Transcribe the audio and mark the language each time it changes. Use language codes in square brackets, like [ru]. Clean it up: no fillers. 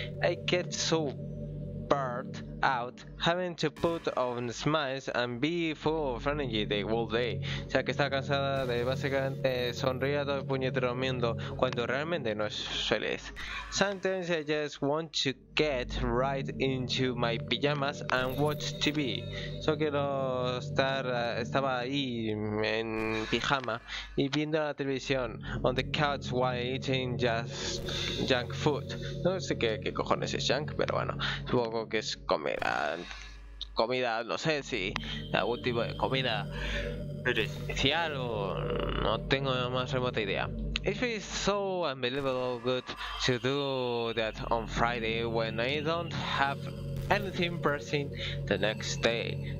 [en] I get so burnt out having to put on smiles and be full of energy the whole day. [es] O sea, que está cansada de básicamente sonreír a todo el puñetero mundo cuando realmente no es feliz. [en] Sometimes I just want to get right into my pajamas and watch TV. [es] Solo quiero estaba ahí en pijama y viendo la televisión [en] on the couch while eating just junk food. [es] No sé qué cojones es junk, pero bueno, supongo que es comida, no sé si algún tipo de comida especial o no tengo la más remota idea. [en] It feels so unbelievable good to do that on Friday when I don't have anything pressing the next day.